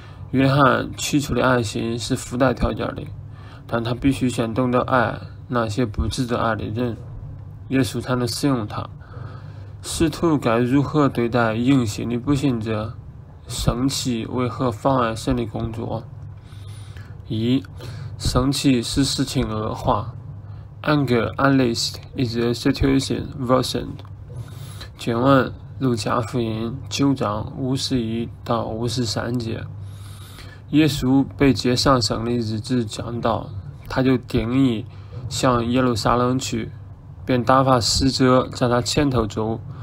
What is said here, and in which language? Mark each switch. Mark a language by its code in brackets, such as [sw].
[zh] 约翰起初的爱心是附带条件的，但他必须先懂得爱那些不值得爱的人，耶稣才能使用他。使徒该如何对待隐形的不信者？生气为何妨碍神的工作？一、生气使事情恶化。 [en] Anger unleashed is a situation worsened. [zh] 请问路加福音9章51-53节，耶稣被接上神的日子讲到，他就定义向耶路撒冷去，便打发使者在他前头走。